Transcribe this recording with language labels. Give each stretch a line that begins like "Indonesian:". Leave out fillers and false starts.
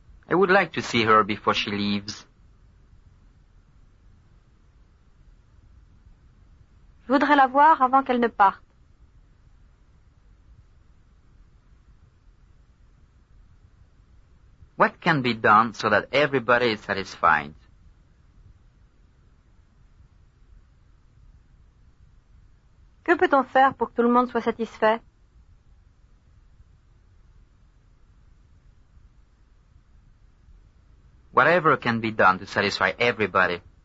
English: I would like to see her before she leaves.
French: Je voudrais la voir avant qu'elle ne parte.
English: What can be done so that everybody is satisfied?
French: Que peut-on faire pour que tout le monde soit satisfait?
English: Whatever can be done to satisfy everybody.